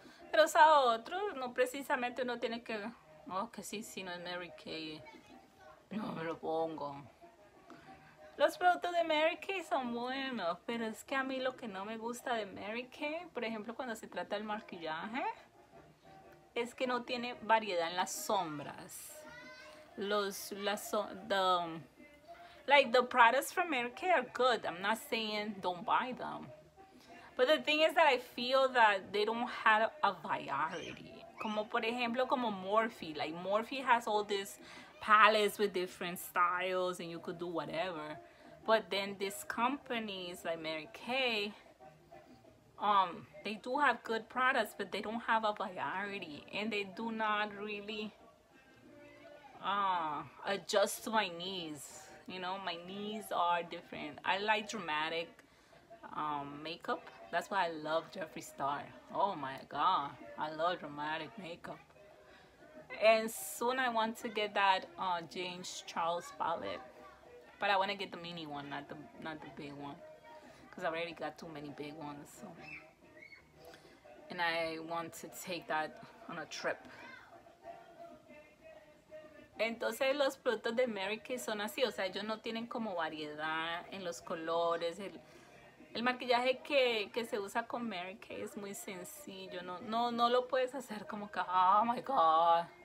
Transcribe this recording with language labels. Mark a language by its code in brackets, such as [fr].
[es] Pero usa otro, no precisamente uno tiene que. Oh, que sí, no es Mary Kay. No me lo pongo. Los productos de Mary Kay son buenos, pero es que a mí lo que no me gusta de Mary Kay, por ejemplo, cuando se trata del maquillaje, es que no tiene variedad en las sombras. [en] Like the products from Mary Kay are good. I'm not saying don't buy them. But the thing is that I feel that they don't have a variety. [es] Como por ejemplo, como [en] Morphe. Like Morphe has all these palettes with different styles and you could do whatever. But then these companies like Mary Kay, they do have good products, but they don't have a variety. And they do not really adjust to my needs. You know, my needs are different. I like dramatic makeup. That's why I love Jeffree Star. Oh my god, I love dramatic makeup. And soon I want to get that James Charles palette. But I want to get the mini one, not the big one. Because I already got too many big ones. So. And I want to take that on a trip. [es] Entonces los productos de Mary Kay son así, o sea, ellos no tienen como variedad en los colores. El maquillaje que se usa con Mary Kay es muy sencillo, no lo puedes hacer como que, [en] oh my god.